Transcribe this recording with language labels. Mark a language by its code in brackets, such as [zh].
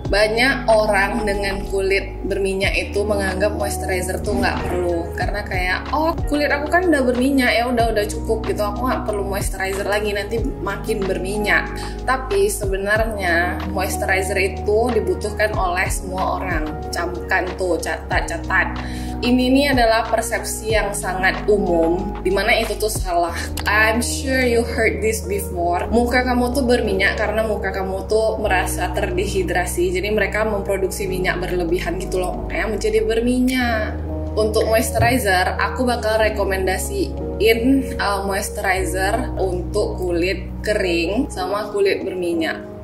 [id] Banyak orang dengan kulit berminyak itu menganggap moisturizer tuh nggak perlu, karena kayak, oh kulit aku kan udah berminyak, ya udah cukup gitu, aku nggak perlu moisturizer lagi, nanti makin berminyak. Tapi sebenarnya moisturizer itu dibutuhkan oleh semua orang. Camkan tuh, catat. Ini adalah persepsi yang sangat umum, dimana itu tuh salah. [en] I'm sure you heard this before. [id] Muka kamu tuh berminyak karena muka kamu tuh merasa terdehidrasi, jadi mereka memproduksi minyak berlebihan gitu loh, kayak menjadi berminyak. Untuk moisturizer, aku bakal rekomendasiin moisturizer untuk kulit kering sama kulit berminyak.